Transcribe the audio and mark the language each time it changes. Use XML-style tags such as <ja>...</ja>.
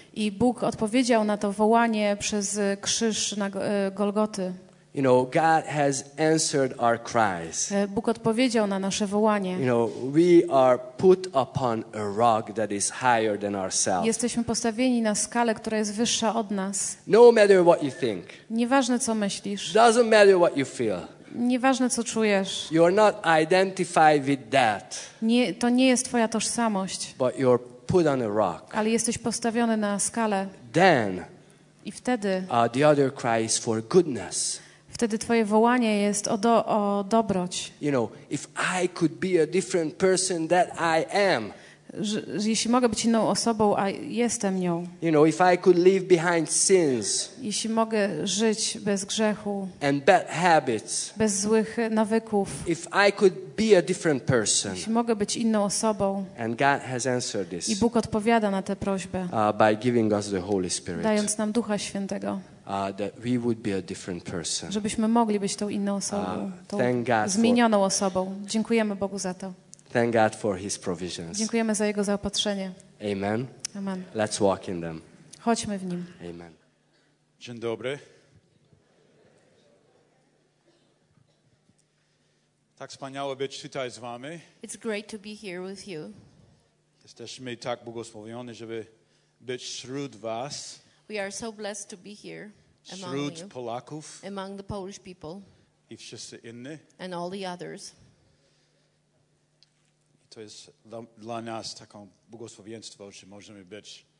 <pl>I Bóg odpowiedział na to wołanie przez krzyż na Golgoty.</pl> <en>You know, God has answered our cries.</en> <pl>Bóg odpowiedział na nasze wołanie.</pl> <en>You know, we are put upon a rock that is higher than ourselves.</en> <pl>Jesteśmy postawieni na skalę, która jest wyższa od nas.</pl> <en>No matter what you think.</en> <pl>Nieważne co myślisz.</pl> <en>Doesn't matter what you feel.</en> <pl>Nieważne co czujesz.</pl> <en>You are not identified with that.</en> <pl>Nie, to nie jest twoja tożsamość.</pl> <en>But you're put on a rock.</en> <pl>Ale jesteś postawiony na skalę.</pl> <en>Then.</en> <pl>I wtedy.</pl> <en>The other cry is for goodness.</en> <pl>Wtedy twoje wołanie jest o dobroć.</pl> <en>You know, if I could be a different person that I am.</en> <pl>Jeśli mogę być inną osobą, a jestem nią.</pl> <en>You know, if I could leave behind sins.</en> <pl>Jeśli mogę żyć bez grzechu.</pl> <en>And bad habits.</en> <pl>Bez złych nawyków.</pl> <en>If I could be a different person.</en> <pl>Jeśli mogę być inną osobą.</pl> <en>And God has answered this.</en> <pl>I Bóg odpowiada na tę prośbę.</pl> <en>By giving us the Holy Spirit.</en> <pl>Dając nam Ducha Świętego.</pl> <en>That we would be a different person.</en> <pl>Żebyśmy mogli być tą inną osobą, tą zmienioną osobą. Dziękujemy Bogu za to.</pl> <en>Thank God for His provisions.</en> <pl>Dziękujemy za Jego zaopatrzenie.</pl> <en>Amen.</en> <pl>Amen.</pl> <en>Let's walk in them.</en> <pl>Chodźmy w Nim.</pl> <en>Amen.</en> <pl>Dzień dobry. Tak wspaniało być tutaj z Wami.</pl> <en>It's great to be here with you.</en> <pl>Jesteśmy tak błogosławieni, żeby być wśród Was.</pl> <en>We are so blessed to be here among</en> <pl>Śród</pl> <en>you,</en> <pl>Polaków,</pl> <en>among the Polish people,</en> <pl>i wszyscy inni,</pl> <en>and all the others.</en> <pl>To jest dla nas taką błogosławieństwo, że możemy być.</pl>